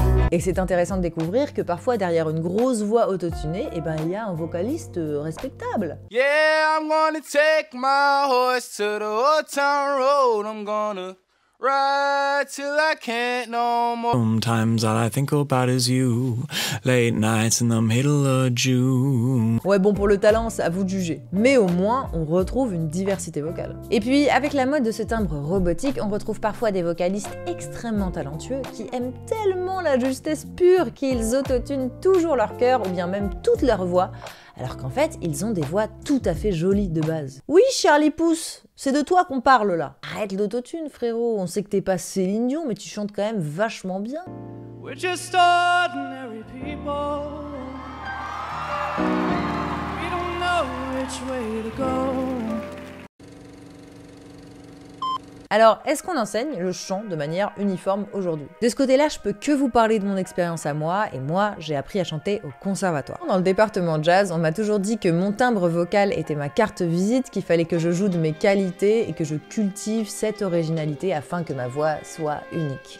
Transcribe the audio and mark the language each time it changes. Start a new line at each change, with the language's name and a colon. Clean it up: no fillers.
French: Et c'est intéressant de découvrir que parfois derrière une grosse voix autotunée, eh ben, il y a un vocaliste respectable.
English: Yeah, I'm gonna take my horse to the old town road, I'm gonna... Right till I can't no more. Sometimes all I think about is you. Late nights in the middle of June.
French: Ouais, bon, pour le talent, c'est à vous de juger. Mais au moins, on retrouve une diversité vocale. Et puis, avec la mode de ce timbre robotique, on retrouve parfois des vocalistes extrêmement talentueux qui aiment tellement la justesse pure qu'ils autotunent toujours leur cœur ou bien même toute leur voix, alors qu'en fait, ils ont des voix tout à fait jolies de base. Oui, Charlie Pousse, c'est de toi qu'on parle là. Arrête l'autotune, frérot. On sait que t'es pas Céline Dion, mais tu chantes quand même vachement bien.
English: We're just ordinary people. We don't know which way to go.
French: Alors, est-ce qu'on enseigne le chant de manière uniforme aujourd'hui? De ce côté-là, je peux que vous parler de mon expérience à moi, et moi, j'ai appris à chanter au conservatoire. Dans le département jazz, on m'a toujours dit que mon timbre vocal était ma carte visite, qu'il fallait que je joue de mes qualités et que je cultive cette originalité afin que ma voix soit unique.